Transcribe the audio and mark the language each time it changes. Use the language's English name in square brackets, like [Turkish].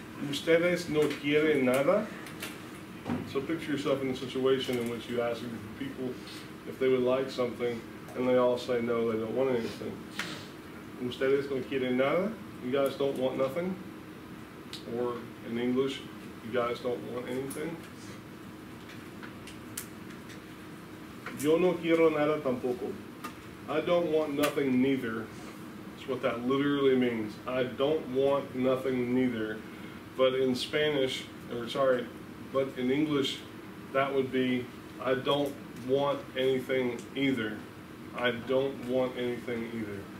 [Spanish] Ustedes no quieren nada? [English] So picture yourself in a situation in which you ask people if they would like something, and they all say no, they don't want anything. [Spanish] Ustedes no quieren nada? [English] You guys don't want nothing? Or in English, you guys don't want anything? [Spanish] Yo no quiero nada tampoco. [English] I don't want nothing neither. That's what that literally means. I don't want nothing neither. But in Spanish, or sorry, but in English, that would be, I don't want anything either. I don't want anything either.